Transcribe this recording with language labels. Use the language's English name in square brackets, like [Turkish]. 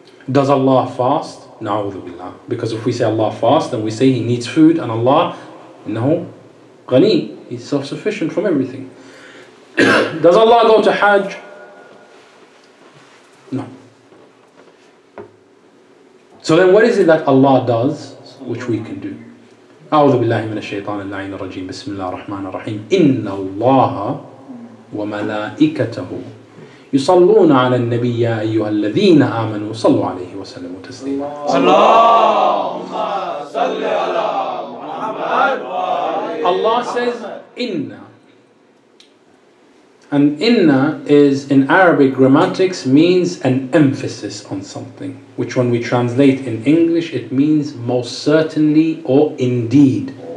[English] Does Allah fast? [Arabic] Na'udhu billah. [English] Because if we say Allah fasts, then we say He needs food, and Allah, no, ghani, He's self-sufficient from everything. Does Allah go to Hajj? No. So then what is it that Allah does which we can do? [Arabic] A'udhu billahi minash shaitanir la'in rajim. Bismillah ar-Rahman ar-Rahim. Inna Allaha wa malaikatahu يصلون على النبي أيها الذين آمنوا صلوا عليه وسلموا تسليما. اللهم صل على محمد وآل. [English] Allah says inna, and inna is in Arabic grammatics means an emphasis on something, which when we translate in English it means most certainly or indeed.